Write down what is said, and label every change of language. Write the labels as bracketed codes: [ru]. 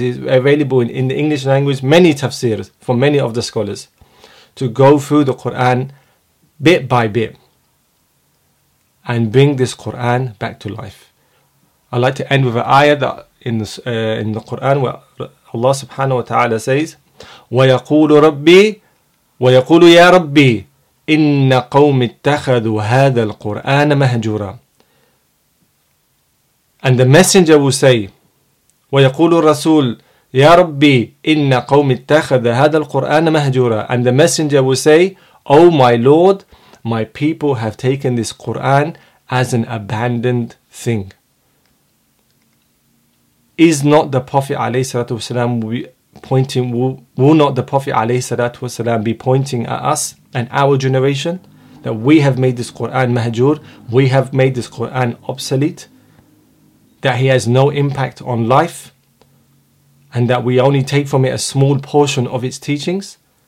[en] It's available in the English language, many tafsirs for many of the scholars, to go through the Quran bit by bit and bring this Quran back to life. I'd like to end with an ayah that in the Quran where Allah subhanahu wa ta'ala says, [ar] وَيَقُولُ رَبِّي وَيَقُولُ يَا رَبِّي إِنَّ قَوْمِ اتَّخَذُوا هَذَا الْقُرْآنَ مَهْجُورًا. [en] And the messenger will say, [ar] وَيَقُولُ الرَّسُولُ يَا رَبِّي إِنَّ قَوْمِ اتَّخَذَ هَذَا الْقُرْآنَ مَهْجُورًا. [en] And the messenger will say, oh my Lord, my people have taken this Quran as an abandoned thing. Is not the Prophet alayhi salatu wasalam pointing, will not the Prophet alayhi salatu wasalam be pointing at us and our generation, that we have made this Quran mahjur, we have made this Quran obsolete, that he has no impact on life, and that we only take from it a small portion of its teachings?